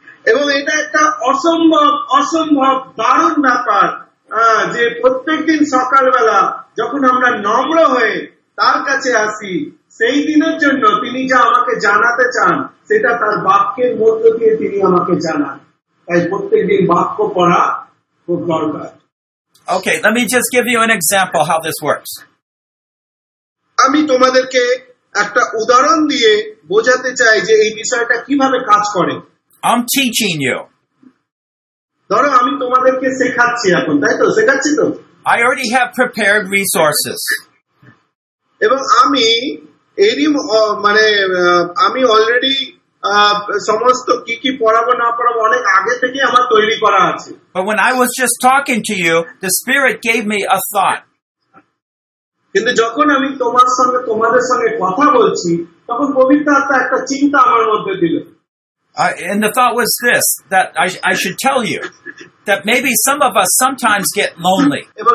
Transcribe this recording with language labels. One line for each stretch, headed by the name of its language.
Bangla: এবং এটা একটা অসম্ভব অসম্ভব দারুণ ব্যাপার যে প্রত্যেকদিন সকালবেলা যখন আমরা নম্র হয়ে তার কাছে আসি, সেই দিনের জন্য তিনি যা আমাকে জানাতে চান সেটা তার বাক্যের মধ্য দিয়ে তিনি আমাকে জানান। তাই প্রত্যেকদিন বাক্য পড়া খুব দরকার।
English: Okay, let me just give you an example how this works.
Bangla: আমি তোমাদেরকে একটা উদাহরণ দিয়ে বোঝাতে চাই যে এই বিষয়টা কিভাবে কাজ করে।
English: I'm teaching you.
Bangla: ধরো আমি তোমাদেরকে শেখাচ্ছি এখন, তাই তো শেখাচ্ছি তো।
English: I already have prepared resources.
Bangla: এবং আমি এরই মানে আমি অলরেডি সমস্ত কি কি পড়াবো না পড়াবো অনেক আগে থেকে আমার তৈরি করা আছে।
English: But when I was just talking to you, the Spirit gave me a thought.
Bangla: কিন্তু যখন আমি তোমাদের সঙ্গে কথা বলছি তখন পবিত্র আত্মা একটা চিন্তা আমার মধ্যে দিল।
English: And the thought was this, that I should tell you that maybe some of us sometimes get lonely.